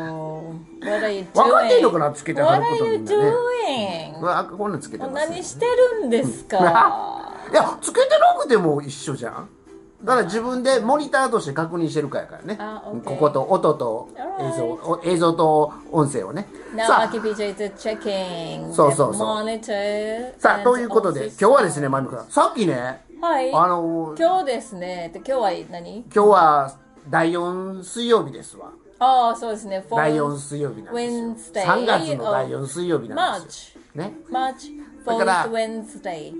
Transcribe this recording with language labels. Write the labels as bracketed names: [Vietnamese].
[English] Oh, what are you doing? [Japanese] わかんないのかな？つけてはることみんなね。 [English] What are you doing? [Japanese] こんなつけてます、ね。何してるんですか？いや、つけてなくても一緒じゃん。だから自分でモニターとして確認してるからね。 [English] Okay. [Japanese] ここと音と映像、 [English] right. [Japanese] 映像と音声をね。 [English] Now, AkiPJ is checking the monitor. [Japanese] そうそうそう。さあ、ということで、今日はですね、マミクさん。さっきね、はい、今日ですね、今日は何？今日は第4水曜日ですわ。ああ、そうですね。第4水曜日なんですよ。 3月の第4水曜日なんですよ。 [English] March。 [Japanese] ね。 [English] March 4th Wednesday。